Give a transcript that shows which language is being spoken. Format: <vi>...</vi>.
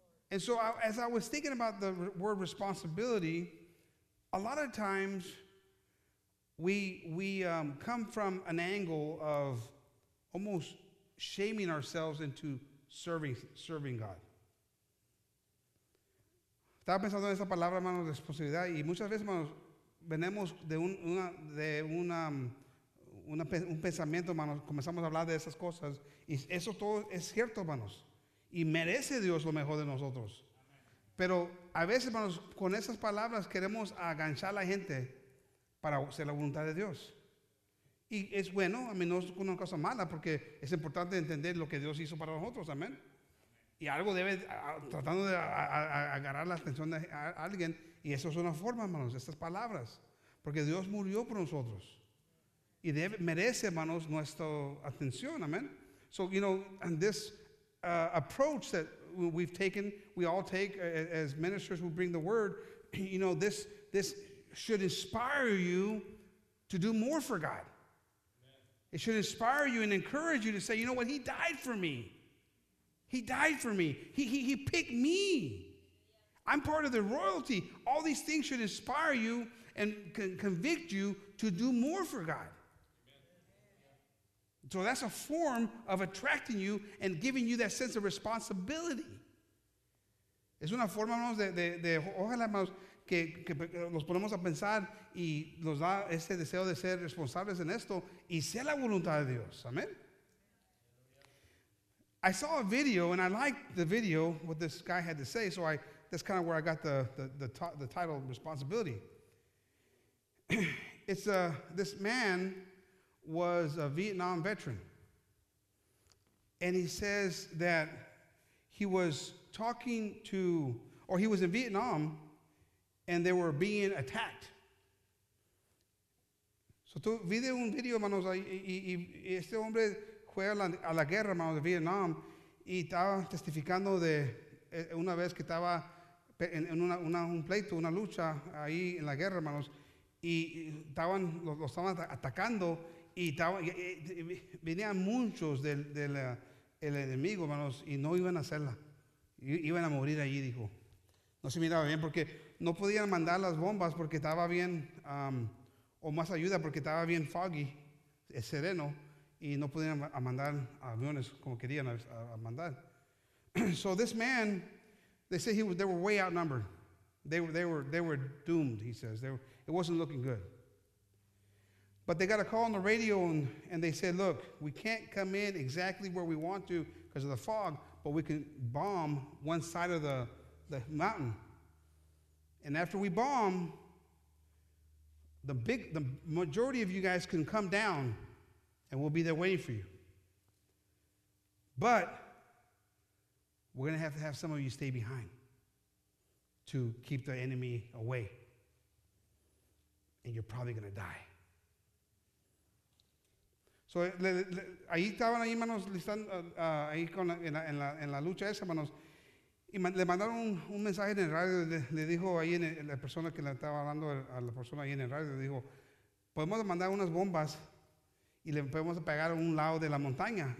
<en>And so as I was thinking about the word responsibility, a lot of times we come from an angle of almost shaming ourselves into serving God.</en> <es>Estaba pensando en esa palabra, hermano, responsabilidad, y muchas veces, hermanos, venimos de un pensamiento, hermanos, comenzamos a hablar de esas cosas, y eso todo es cierto, hermanos, y merece Dios lo mejor de nosotros. Pero a veces, hermanos, con esas palabras queremos aganchar a la gente para hacer la voluntad de Dios. Y es bueno, a mí no es una cosa mala, porque es importante entender lo que Dios hizo para nosotros, amén. Y algo debe, tratando de agarrar la atención de alguien, y eso es una forma, hermanos, estas palabras, porque Dios murió por nosotros. Y merece, hermanos, nuestra atención. Amen.</es> <en>So, you know, and this approach that we've taken, we all take as ministers who bring the word, you know, this should inspire you to do more for God. Amen. It should inspire you and encourage you to say, you know what, he died for me. He died for me. He picked me. I'm part of the royalty. All these things should inspire you and convict you to do more for God. So that's a form of attracting you and giving you that sense of responsibility.</en> <es>Es una forma, hermanos, de ojalá, hermanos, que los ponemos a pensar y nos da ese deseo de ser responsables en esto y sea la voluntad de Dios.</es> <en>Amen. I saw a video and I liked the video, what this guy had to say, so that's kind of where I got the title, responsibility. It's this man was a Vietnam veteran, and he says that he was talking to, or he was in Vietnam, and they were being attacked.</en> <es>So tú viste un video, hermanos, y este hombre fue a la guerra, hermanos, de Vietnam, y estaba testificando de una vez que estaba en una, una, un pleito, una lucha ahí en la guerra, hermanos, y estaban, los lo estaban atacando y, estaban, y venían muchos del, del el enemigo, hermanos, y no iban a hacerla, iban a morir allí, dijo. No se miraba bien porque no podían mandar las bombas porque estaba bien, o más ayuda porque estaba bien foggy, es sereno, y no podían mandar aviones como querían a mandar.</es> <en>So this man, they say he was, they were way outnumbered. They were doomed, he says. It wasn't looking good. But they got a call on the radio and they said, look, we can't come in exactly where we want to because of the fog, but we can bomb one side of the mountain. And after we bomb, the majority of you guys can come down and we'll be there waiting for you. But we're going to have some of you stay behind to keep the enemy away. And you're probably going to die.</en> <es>So, ahí estaban ahí, hermanos, ahí en la lucha esa, hermanos. Y le mandaron un mensaje en el radio. Le dijo ahí, la persona que le estaba hablando, a la persona ahí en el radio, le dijo, podemos mandar unas bombas y le podemos pegar a un lado de la montaña.</es>